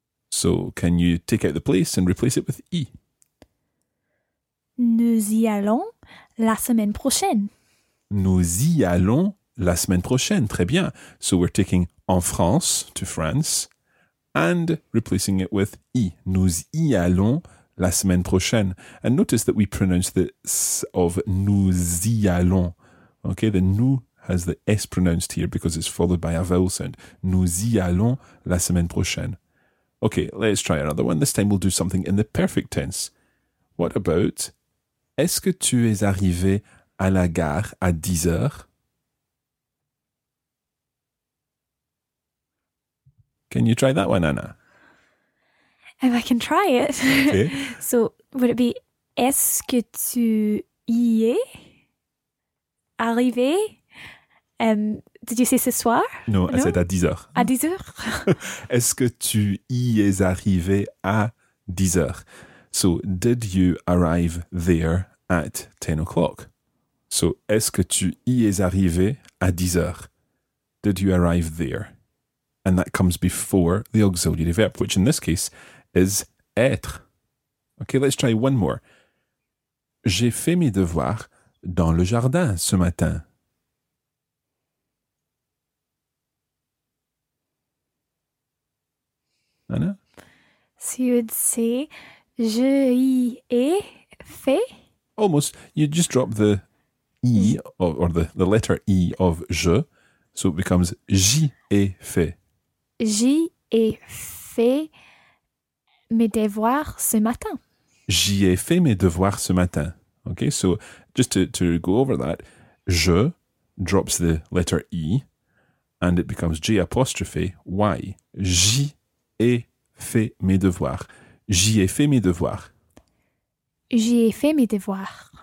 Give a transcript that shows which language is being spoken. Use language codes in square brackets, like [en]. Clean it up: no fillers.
[en] So can you take out the place and replace it with I? [fr] Nous nous y allons la semaine prochaine. Nous y allons la semaine prochaine. Très bien. [en] So we're taking [fr] en France [en] to France and replacing it with y. [fr] Nous y allons la semaine prochaine. [en] And notice that we pronounce the s of [fr] nous y allons. [en] Okay, the nous has the s pronounced here because it's followed by a vowel sound. [fr] Nous y allons la semaine prochaine. [en] Okay, let's try another one. This time we'll do something in the perfect tense. What about, [fr] est-ce que tu es arrivé à la gare à 10 heures? [en] Can you try that one, Anna? If I can try it. Okay. So, would it be, [fr] est-ce que tu y es arrivé? [en] Did you say [fr] ce soir? [en] No, no? I said [fr] à 10 heures. À 10 heures? Est-ce que tu y es arrivé à 10 heures? [en] So, did you arrive there at 10 o'clock? [fr] So, est-ce que tu y es arrivé à 10 heures? [en] Did you arrive there? And that comes before the auxiliary verb, which in this case is être. Okay, let's try one more. [fr] J'ai fait mes devoirs dans le jardin ce matin. [en] Anna? So you would say, [fr] je y ai fait? [en] Almost. You just drop the I or the letter I of je, so it becomes [fr] j'y ai fait. J'y ai fait mes devoirs ce matin. J'y ai fait mes devoirs ce matin. [en] Okay, so just to go over that, je drops the letter I and it becomes j' apostrophe y. [fr] J'y ai fait mes devoirs. J'y ai fait mes devoirs. J'y ai fait mes devoirs.